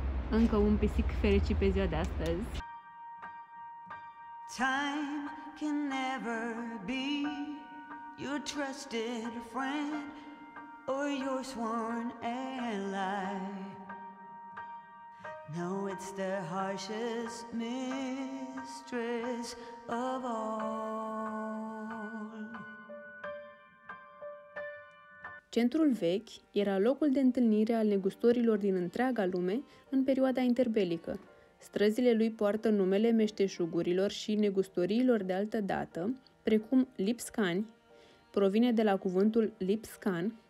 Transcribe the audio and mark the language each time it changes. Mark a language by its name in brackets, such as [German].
[Romanian] Încă un pisic fericit pe ziua de astăzi. [English] Time can never be your trusted friend or your sworn ally. No, it's the harshest mistress of all. [Romanian] Centrul vechi era locul de întâlnire al negustorilor din întreaga lume în perioada interbelică. Străzile lui poartă numele meșteșugurilor și negustoriilor de altă dată, precum lipscani, provine de la cuvântul lipscan,